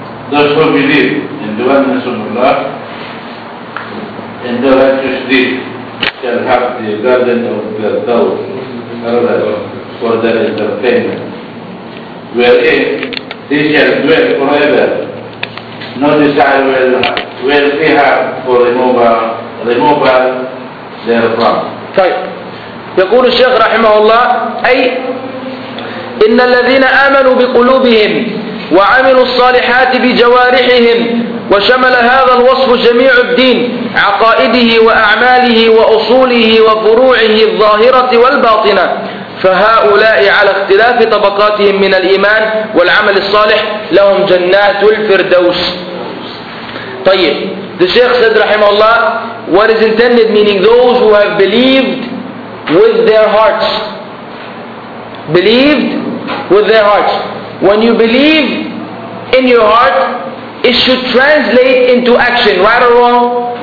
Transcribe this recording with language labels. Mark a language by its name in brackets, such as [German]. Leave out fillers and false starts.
[English] Those who believe in the oneness of Allah and the righteous deed shall have the garden of the paradise for their entertainment, wherein they shall dwell forever. No desire will they have for removal therefrom. [Arabic] يقول الشيخ رحمه الله أي إن الذين آمنوا بقلوبهم وعملوا الصالحات بجوارحهم وشمل هذا الوصف جميع الدين عقائده وأعماله وأصوله وفروعه الظاهرة والباطنة فهؤلاء على اختلاف طبقاتهم من الإيمان والعمل الصالح لهم جنات الفردوس. طيب, [English] the Sheikh said رحمه الله, what is intended meaning those who have believed with their hearts. Believed with their hearts. When you believe in your heart, it should translate into action, right or wrong?